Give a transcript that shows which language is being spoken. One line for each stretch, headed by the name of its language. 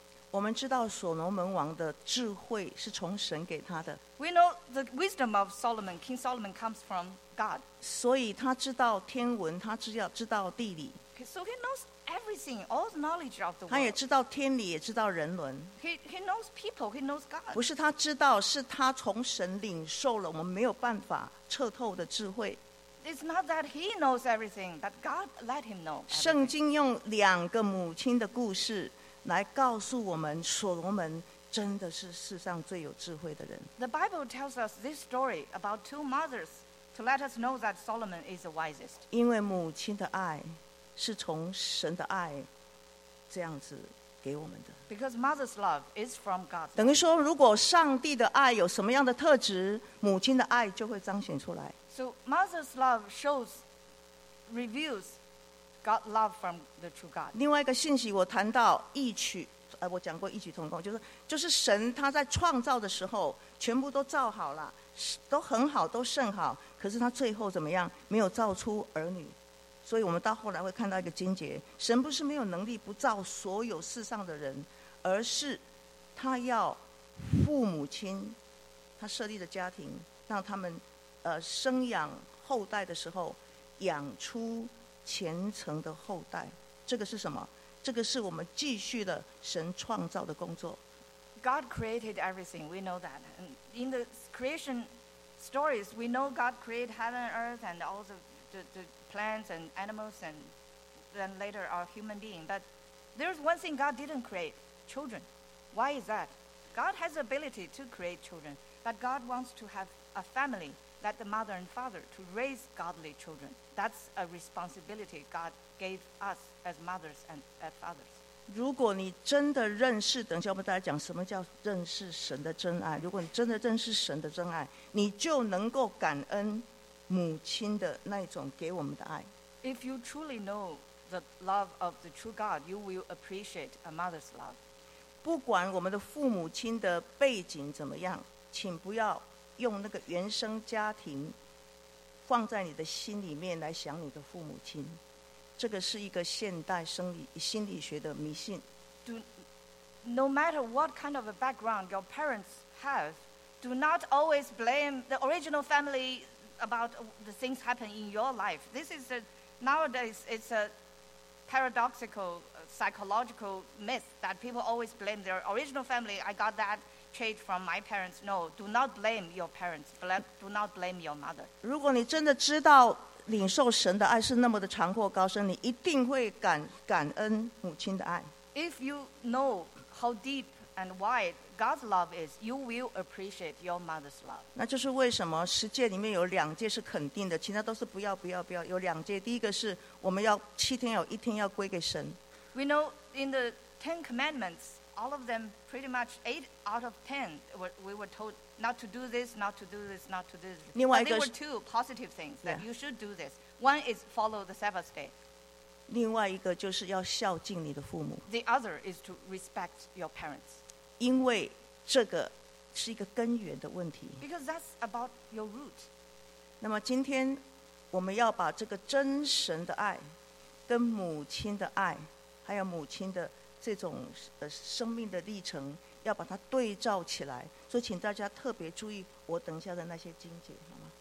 Chinese: 我们知道所罗门王的智慧是从神给他的。
English: We know the wisdom of Solomon, King Solomon comes from God.
Chinese: 所以他知道天文，他知道地理。
English: So he knows everything, all the knowledge of the world.
Chinese: 他也知道天理，也知道人伦。
English: He knows people, he knows God.
Chinese: 不是他知道，是他从神领受了我们没有办法彻透的智慧。
English: It's not that he knows everything, but God let him know.
Chinese: 圣经用两个母亲的故事。来告诉我们，所罗门真的是世上最有智慧的人。
English: The Bible tells us this story about two mothers to let us know that Solomon is the wisest.
Chinese: 因为母亲的爱是从神的爱这样子给我们的。
English: Because mother's love is from God.
Chinese: 等于说，如果上帝的爱有什么样的特质，母亲的爱就会彰显出来。
English: So mother's love reveals got love from the true God.
Chinese: 另外一个信息我谈到异曲，我讲过异曲同工，就是神他在创造的时候全部都造好了，都很好，都甚好，可是他最后怎么样，没有造出儿女。所以我们到后来会看到一个经节，神不是没有能力不造所有世上的人，而是他要父母亲他设立的家庭，让他们生养后代的时候养出虔诚的后代。这个是什么？这个是我们继续的神创造的工作。
English: God created everything, we know that. And in the creation stories, we know God created heaven and earth and all the plants and animals and then later our human being. But there's one thing God didn't create, children. Why is that? God has the ability to create children, but God wants to have a family that the mother and father to raise godly children. That's a responsibility God gave us as mothers and as fathers.
Chinese: 如果你真的认识，等一下我们大家讲什么叫认识神的真爱。如果你真的认识神的真爱，你就能够感恩母亲的那种给我们的爱。
English: If you truly know the love of the true God, you will appreciate a mother's love.
Chinese: 不管我们的父母亲的背景怎么样，请不要用那个原生家庭放在你的心里面来想你的父母亲，这个是一个现代生理心理学的迷信。
English: Do, no matter what kind of a background your parents have, do not always blame the original family about the things happen in your life. This is a, nowadays it's a paradoxical psychological myth that people always blame their original family. I got that. Trade from my parents. No, do not blame your parents. Do not blame your mother.
Chinese: 如果你真的知道领受神的爱是那么的长阔高深，你一定会感恩母亲的爱。
English: If you know how deep and wide God's love is, you will appreciate your mother's love.
Chinese: 那就是为什么十诫里面有两诫是肯定的，其他都是不要不要不要。有两诫，第一个是我们要七天有一天要归给神。
English: We know in the Ten Commandments. All of them, pretty much 8 out of 10, we were told not to do this, not to do this, not to do this. But there were two positive things that you should do this. One is follow the Sabbath day.
Chinese: 另外一个就是要孝敬你的父母。
English: The other is to respect your parents.
Chinese: 因为这个是一个根源的问题。
English: Because that's about your root.
Chinese: 那么今天我们要把这个真神的爱跟母亲的爱还有母亲的这种生命的历程要把它对照起来，所以请大家特别注意我等一下的那些经节，好吗？